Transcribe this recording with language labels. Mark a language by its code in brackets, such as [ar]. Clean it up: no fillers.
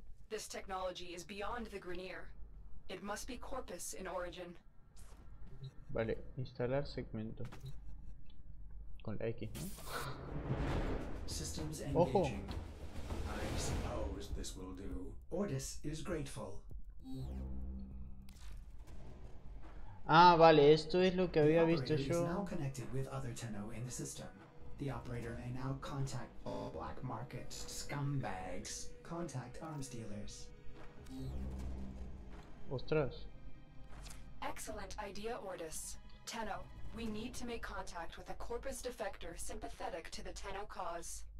[en] This technology is beyond the Grineer. It must be Corpus in origin. [es] Vale, instalar segmento. Con la X, ¿no? [en] Systems engaging. Ojo. I suppose this will do. Ordis is grateful. [es] Ah, vale, esto es lo que había visto yo. [en] Now connected with other Tenno in the system. The operator may now contact all black market scumbags. Contact arms dealers. [es] Ostras. [en] Excellent idea, Ordis. Tenno, we need to make contact with a Corpus defector sympathetic to the Tenno cause.